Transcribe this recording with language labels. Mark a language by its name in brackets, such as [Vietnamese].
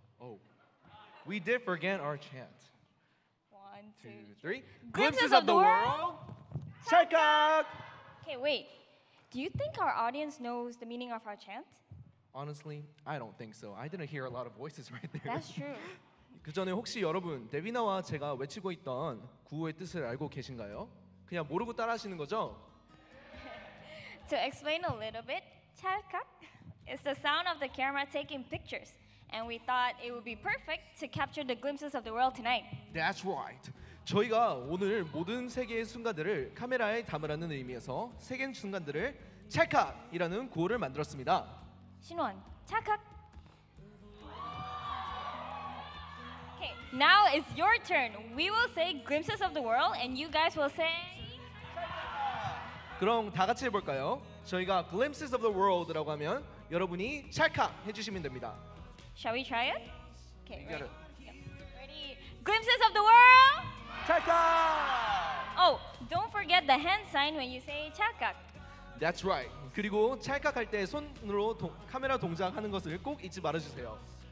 [English] Oh. We did forget our chant. One, two, three. Glimpses of the world. Check out. Okay, wait. Do you think our audience knows the meaning of our chant? Honestly, I don't think so. I didn't hear a lot of voices right there. That's true. [Korean] 그 전에 혹시 여러분, 데비나와 제가 외치고 있던 구호의 뜻을 알고 계신가요? 그냥 모르고 따라하시는 거죠? [English] To explain a little bit, 찰칵 is the sound of the camera taking pictures. And we thought it would be perfect to capture the glimpses of the world tonight. That's right. [Korean] 저희가 오늘 모든 세계의 순간들을 카메라에 담으라는 의미에서 세계의 순간들을 찰칵이라는 구호를 만들었습니다. 신원, 찰칵! [English] Okay, now it's your turn. We will say glimpses of the world and you guys will say... [Korean] 그럼 다 같이 해볼까요? 저희가 [English] glimpses of the world [Korean] 라고 하면 여러분이 찰칵 해주시면 됩니다. [English] Shall we try it? Okay, ready? Yep. Ready? Glimpses of the world! [Korean] 찰칵! [English] Oh, don't forget the hand sign when you say 찰칵. That's right. [Korean] 그리고 찰칵할 때 손으로 카메라 동작하는 것을 꼭 잊지 말아주세요.